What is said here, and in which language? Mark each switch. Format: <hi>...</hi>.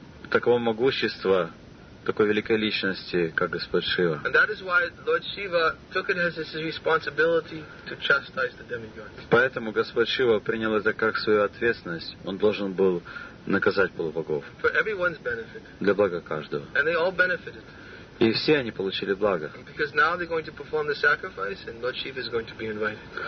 <ru>Такого могущества, такой великой личности, как Господь Шива.</ru> <en>And that is why Lord Shiva took it as his responsibility to chastise the demigods.</en> <ru>Поэтому Господь Шива принял это как свою ответственность. Он должен был наказать полубогов.</ru> <en>For everyone's benefit.</en> <ru>Для блага каждого.</ru> <en>And they all benefited.</en> <ru>И все они получили благо.</ru> <en>Because now they're going to perform the sacrifice and Lord Shiva is going to be invited.</en>